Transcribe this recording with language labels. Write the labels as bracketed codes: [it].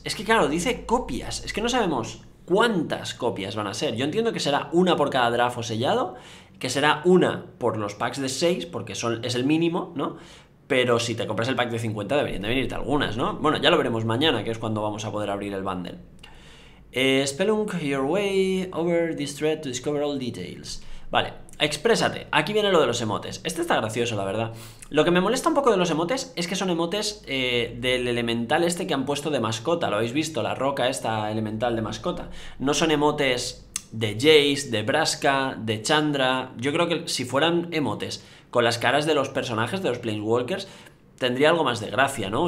[es] Es que claro, dice copias, es que no sabemos cuántas copias van a ser. Yo entiendo que será una por cada draft o sellado, que será una por los packs de 6, porque es el mínimo, ¿no? Pero si te compras el pack de 50 deberían de venirte algunas, ¿no? Bueno, ya lo veremos mañana, que es cuando vamos a poder abrir el bundle. [en] Spelunk your way over this thread to discover all details. [es] Vale, exprésate. Aquí viene lo de los emotes. Este está gracioso, la verdad. Lo que me molesta un poco de los emotes es que son emotes del elemental este que han puesto de mascota. Lo habéis visto, la roca esta elemental de mascota. No son emotes de Jace, de Braska, de Chandra. Yo creo que si fueran emotes con las caras de los personajes, de los Planeswalkers, tendría algo más de gracia, ¿no?